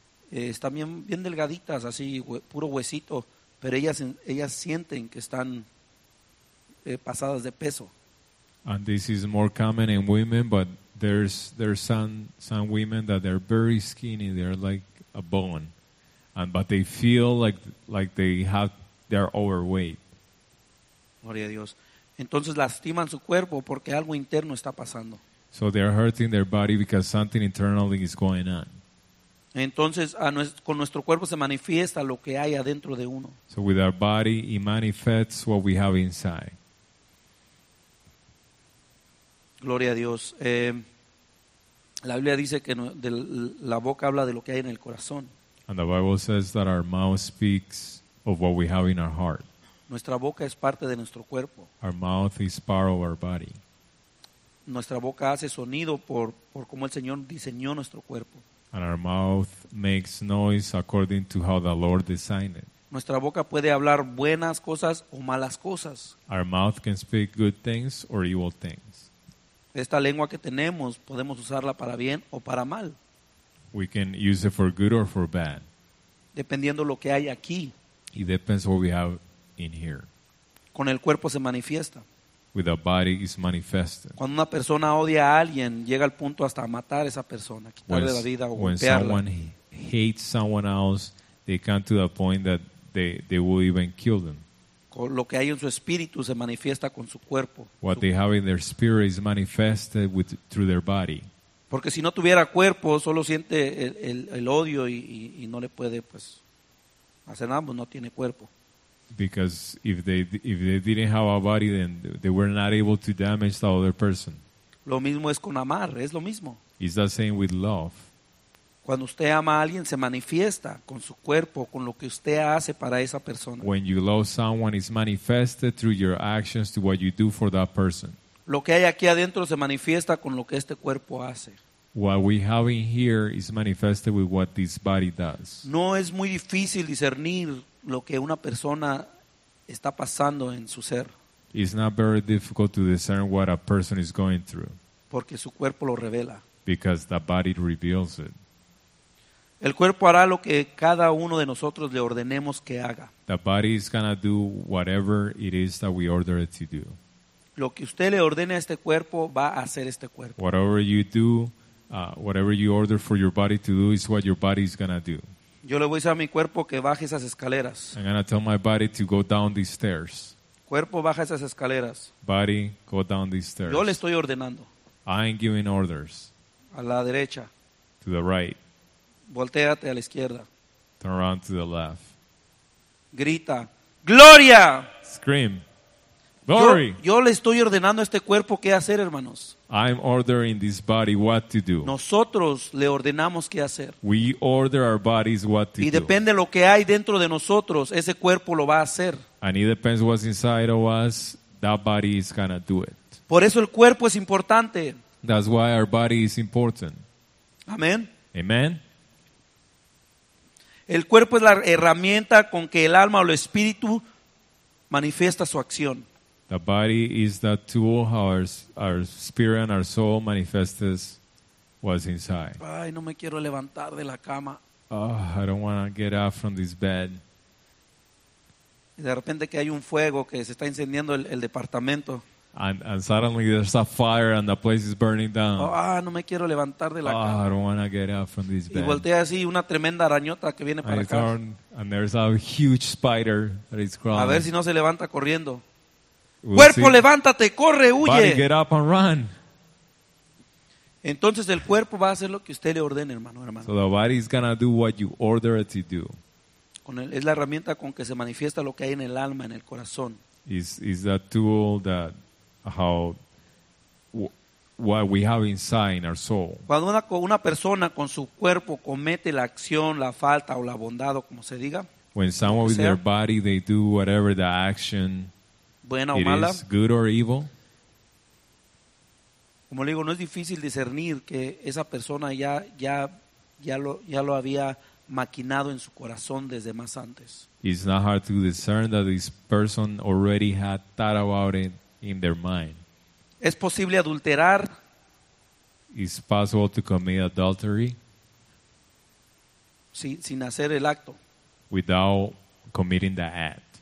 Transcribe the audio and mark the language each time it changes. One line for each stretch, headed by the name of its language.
Spanish: Están bien delgaditas, así, puro huesito, pero ellas sienten que están pasadas de peso.
English: And this is more common in women, but there's some women that they're very skinny, they're like a bone, but they feel like they're overweight.
Spanish: Gloria a Dios. Entonces lastiman su cuerpo porque algo interno está pasando.
English: So they're hurting their body because something internally is going on.
Spanish: Entonces, con nuestro cuerpo se manifiesta lo que hay adentro de uno.
English: So with our body, it manifests what we have inside.
Spanish: Gloria a Dios. La Biblia dice que la boca habla de lo que hay en el corazón.
English: And the Bible says that our mouth speaks of what we have in our heart.
Spanish: Nuestra boca es parte de nuestro cuerpo.
English: Our mouth is part of our body.
Spanish: Nuestra boca hace sonido por cómo el Señor diseñó nuestro cuerpo.
English: And our mouth makes noise according to how the Lord designed it.
Spanish: Nuestra boca puede hablar buenas cosas o malas cosas.
English: Our mouth can speak good things or evil things.
Spanish: Esta lengua que tenemos podemos usarla para bien o para mal.
English: We can use it for good or for bad.
Spanish: Dependiendo lo que hay aquí.
English: It depends what we have in here.
Spanish: Con el cuerpo se manifiesta.
English: With a body is manifested.
Spanish: Cuando una persona odia a alguien, llega al punto hasta matar a esa persona, quitarle la vida o golpearla.
English: When someone hates someone else, they come to the point that they will even kill them.
Spanish: Lo que hay en su espíritu se manifiesta con su cuerpo.
English: What they have in their spirit is manifested through their body.
Spanish: Porque si no tuviera cuerpo, solo siente el odio y no le puede pues hacer nada, pues no tiene cuerpo.
English: Because if they didn't have a body, then they were not able to damage the other person.
Spanish: Lo mismo es con amar, es lo mismo.
English: It's the same with love.
Spanish: Cuando usted ama a alguien, se manifiesta con su cuerpo, con lo que usted hace para esa persona.
English: When you love someone, it's manifested through your actions to what you do for that person.
Spanish: Lo que hay aquí adentro se manifiesta con lo que este cuerpo hace.
English: What we have in here is manifested with what this body does.
Spanish: No es muy difícil discernir lo que una persona está pasando en su ser.
English: It's not very difficult to discern what a person is going through.
Spanish: Porque su cuerpo lo revela.
English: Because the body reveals it.
Spanish: El cuerpo hará lo que cada uno de nosotros le ordenemos que haga.
English: The body is gonna do whatever it is that we order it to do.
Spanish: Lo que usted le ordene a este cuerpo va a hacer este cuerpo.
English: Whatever you do, whatever you order for your body to do is what your body is gonna do.
Spanish: Yo le voy a decir a mi cuerpo que baje esas escaleras.
English: I'm gonna tell my body to go down these stairs.
Spanish: Cuerpo, baja esas escaleras.
English: Body, go down these stairs.
Spanish: Yo le estoy ordenando.
English: I'm giving orders.
Spanish: A la derecha.
English: To the right.
Spanish: Voltéate a la izquierda.
English: Turn around to the left.
Spanish: Grita. ¡Gloria!
English: Scream. Glory.
Spanish: Yo le estoy ordenando a este cuerpo qué hacer, hermanos.
English: I'm ordering this body what to do.
Spanish: Nosotros le ordenamos qué hacer.
English: We order our bodies what to do.
Spanish: Y depende
English: do.
Spanish: Lo que hay dentro de nosotros, ese cuerpo lo va a hacer.
English: And it depends what's inside of us, that body is gonna do it.
Spanish: Por eso el cuerpo es importante.
English: That's why our body is important.
Spanish: Amén.
English: Amen.
Spanish: El cuerpo es la herramienta con que el alma o el espíritu manifiesta su acción.
English: The body is that tool how our spirit and our soul manifests what's inside.
Spanish: Ay, no me quiero levantar de la cama.
English: Oh, I don't want to get up from this bed.
Spanish: De repente que hay un fuego que se está incendiando el departamento.
English: And suddenly there's a fire and the place is burning down.
Spanish: Oh, no me quiero levantar de la cama.
English: Oh, I don't want to get up from this bed.
Spanish: Y volteé así una tremenda arañota que viene para acá.
English: And there's a huge spider that is crawling.
Spanish: A ver si no se levanta corriendo.
English: We'll
Spanish: cuerpo,
English: see.
Spanish: Levántate, corre, huye.
English: Body, get up and run.
Spanish: Entonces el cuerpo va a hacer lo que usted le ordene, hermano, hermano.
English: So the body is gonna do what you order it to do.
Spanish: Es la herramienta con que se manifiesta lo que hay en el alma, en el corazón.
English: Is that tool that how what we have inside in our soul.
Spanish: Cuando una persona con su cuerpo comete la acción, la falta o la bondad o como se diga.
English: When someone with their body they do whatever the action.
Spanish: Buena o mala.
English: It is good or evil.
Spanish: Como le digo, no es difícil discernir que esa persona ya lo había maquinado en su corazón desde más antes.
English: It's not hard to discern that this person already had thought about it in their mind.
Spanish: Es posible adulterar.
English: It's possible to commit adultery.
Spanish: Sin hacer el acto.
English: Without committing the act.